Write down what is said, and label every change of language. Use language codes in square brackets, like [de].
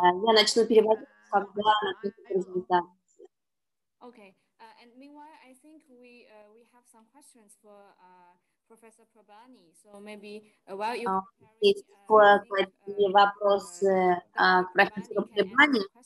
[ru] Я начну переводить, когда начнется презентация. [en] Okay. And meanwhile, I think we have some questions for Professor Prabhani. So maybe while you [ru] есть вопросы к профессору Прабхани.